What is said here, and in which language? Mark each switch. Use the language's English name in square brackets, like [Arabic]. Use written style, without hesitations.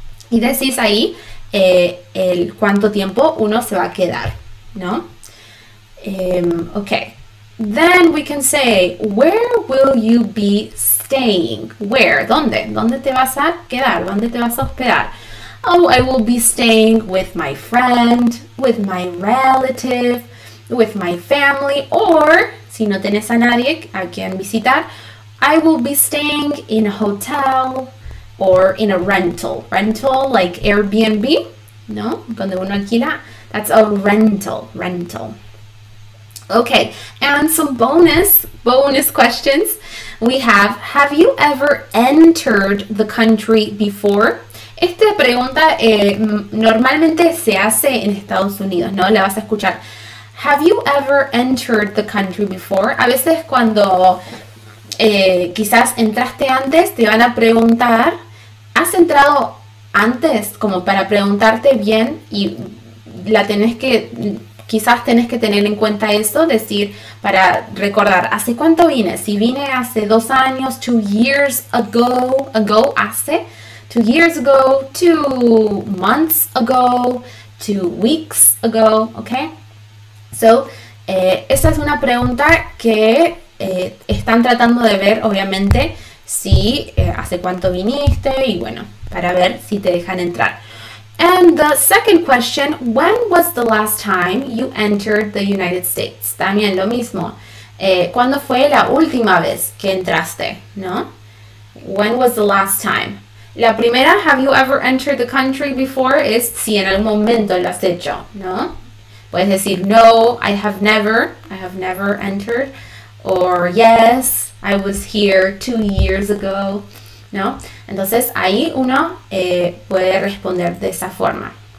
[Spanish] Y decís ahí el cuánto tiempo uno se va a quedar, ¿no? [English] Okay. Then we can say, where will you be staying? [Spanish] Where? ¿Dónde? ¿Dónde te vas a quedar? ¿Dónde te vas a hospedar? [English] Oh, I will be staying with my friend, with my relative, with my family, or, [Spanish] si no tienes a nadie a quien visitar, [English] I will be staying in a hotel or in a rental. Rental, like Airbnb, [Spanish] ¿no? Donde uno alquila. [English] That's a rental, rental. Okay, and some bonus questions. We have you ever entered the country before? [Spanish] Esta pregunta normalmente se hace en Estados Unidos, ¿no? La vas a escuchar. [English] Have you ever entered the country before? [Spanish] A veces cuando quizás entraste antes, te van a preguntar, ¿has entrado antes? Como para preguntarte bien y la tenés que... Quizás tenés que tener en cuenta eso, decir, para recordar, ¿hace cuánto vine? Si vine hace 2 años, [English] 2 years ago, hace, 2 years ago, 2 months ago, 2 weeks ago, [Spanish] ¿ok? So, esa es una pregunta que Están tratando de ver, obviamente, si hace cuánto viniste y bueno, para ver si te dejan entrar. [English] And the second question, when was the last time you entered the United States? [Spanish] También lo mismo. ¿Cuándo fue la última vez que entraste? ¿No? [English] When was the last time? [Spanish] La primera, [English] have you ever entered the country before? [Spanish] Es si en algún momento lo has hecho, ¿no? Puedes decir, no, [English] I have never entered. Or, yes, I was here 2 years ago, ¿no? [Spanish] Entonces ahí uno puede responder de esa forma.